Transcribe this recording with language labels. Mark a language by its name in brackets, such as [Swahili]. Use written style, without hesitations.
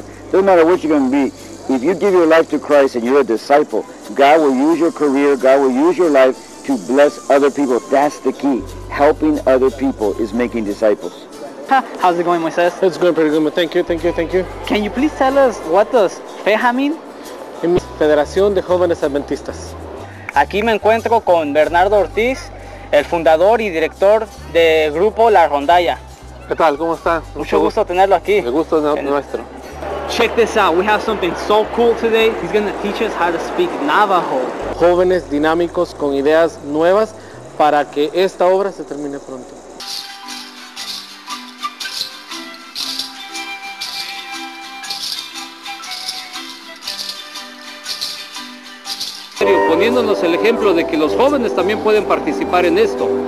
[English] It doesn't matter what you're going to be. If you give your life to Christ and you're a disciple, God will use your career, God will use your life to bless other people. That's the key. Helping other people is making disciples. How's it going, Moises? It's going pretty good, but thank you. Can you please tell us what does FEJA mean? It means Federación de Jóvenes Adventistas. [Spanish] Aquí me encuentro con Bernardo Ortiz, el fundador y director del grupo La Rondalla. ¿Qué tal? ¿Cómo está? Mucho gusto tenerlo aquí. Me gusta nuestro. [English] Check this out. We have something so cool today. He's going to teach us how to speak Navajo. [Spanish] Jóvenes dinámicos con ideas nuevas para que esta obra se termine pronto. Poniéndonos el ejemplo de que los jóvenes también pueden participar en esto.